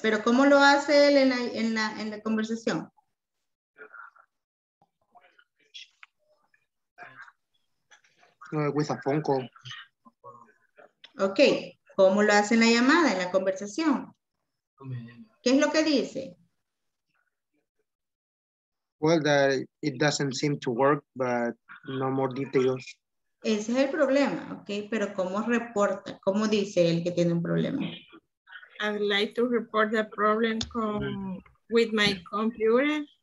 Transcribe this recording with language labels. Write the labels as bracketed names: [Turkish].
[Spanish] Pero ¿cómo lo hace él en la conversación? [English] With a phone call. Okay. [Spanish] ¿Cómo lo hace en la llamada, en la conversación? ¿Qué es lo que dice? [English] Well, that it doesn't seem to work, but no more details. [Spanish] Ese es el problema, ¿ok? Pero ¿cómo reporta? ¿Cómo dice él que tiene un problema? [English] I'd like to report the problem with my computer.